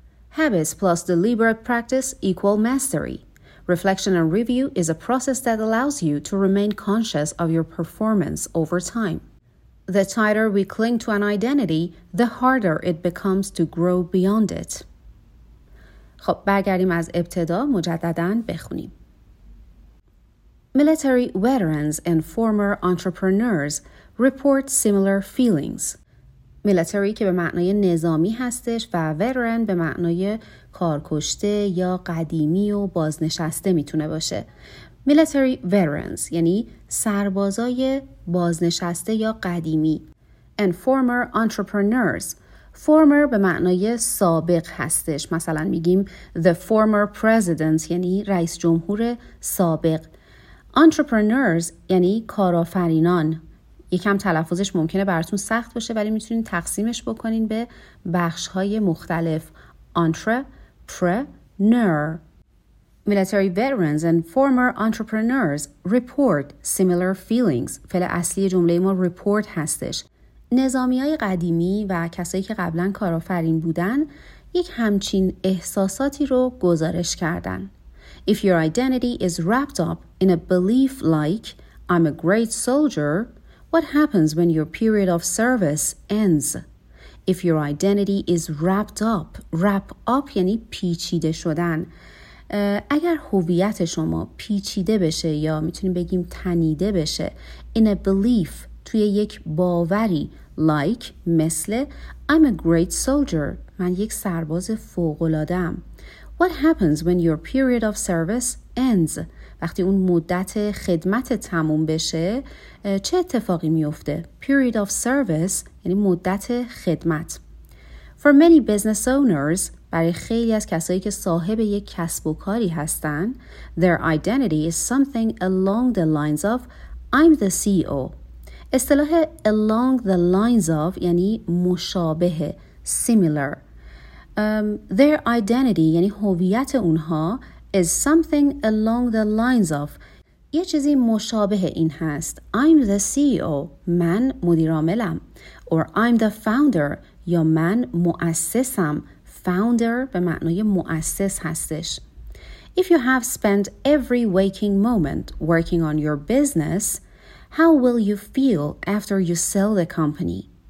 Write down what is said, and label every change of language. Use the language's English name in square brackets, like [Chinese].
[English] Habits plus deliberate practice equal mastery. Reflection and review is a process that allows you to remain conscious of your performance over time. The tighter we cling to an identity, the harder it becomes to grow beyond it. [Persian] خب برگردیم از ابتدا مجدداً بخونیم. [English] Military veterans and former entrepreneurs report similar feelings. [Persian] Military که به معنای نظامی هستش و veteran به معنای کارکشته یا قدیمی و بازنشسته میتونه باشه. [English] Military veterans [Persian] یعنی سربازای بازنشسته یا قدیمی. [English] And former entrepreneurs. [Persian] Former به معنای سابق هستش. مثلا میگیم [English] the former president [Persian] یعنی رئیس جمهور سابق. Entrepreneurs یعنی کارآفرینان. یکم تلفظش ممکنه براتون سخت باشه ولی میتونین تقسیمش بکنین به بخش‌های مختلف. [English] Entrepreneur. Military veterans and former entrepreneurs report similar feelings. [Persian] فعل اصلی جمله ما report هستش. نظامی‌های قدیمی و کسایی که قبلا کارآفرین بودن یک همچین احساساتی رو گزارش کردن. [English] If your identity is wrapped up in a belief like, I'm a great soldier, what happens when your period of service ends? If your identity is wrapped up, wrap up [Persian] یعنی پیچیده شدن. اگر هویت شما پیچیده بشه یا میتونیم بگیم تنیده بشه [English] in a belief [Persian] توی یک باوری like مثل [English] I'm a great soldier [Persian] من یک سرباز فوق‌العاده‌ام. [English] What happens when your period of service ends? [Persian] وقتی اون مدت خدمت تموم بشه چه اتفاقی میفته؟ [English] Period of service [Persian] یعنی مدت خدمت. [English] For many business owners [Persian] برای خیلی از کسایی که صاحب یک کسب و کاری هستن [English] their identity is something along the lines of I'm the CEO. [Persian] اصطلاح [English] along the lines of [Persian] یعنی مشابه [English] similar. Their identity [Persian] یعنی هویت اونها [English] is something along the lines of. [Persian] یه چیزی مشابه این هست. [English] I'm the CEO. [Persian] من مدیر عاملم. [English] Or I'm the founder. [Persian] یا من مؤسسم. Founder به معنای مؤسس هستش. [English] If you have spent every waking moment working on your business, how will you feel after you sell the company?